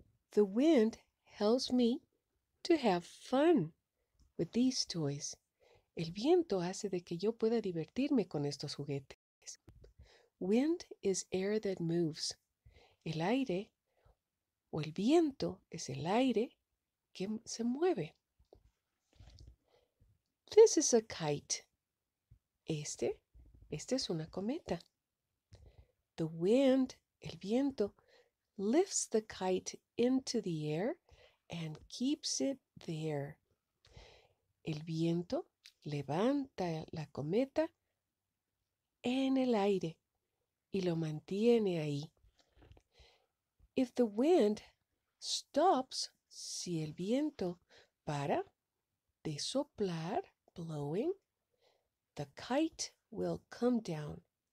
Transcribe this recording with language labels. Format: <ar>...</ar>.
<en>The wind helps me to have fun with these toys.</en> <es>El viento hace de que yo pueda divertirme con estos juguetes.</es> <en>Wind is air that moves.</en> <es>El aire o el viento es el aire que se mueve.</es> <en>This is a kite.</en> <es>Este es una cometa.</es> <en>The wind,</en> <es>el viento,</es> <en>lifts the kite into the air and keeps it there.</en> <es>El viento levanta la cometa en el aire y lo mantiene ahí.</es> <en>If the wind stops,</en> <es>si el viento para de soplar,</es> <en>blowing, the kite will come down.</en>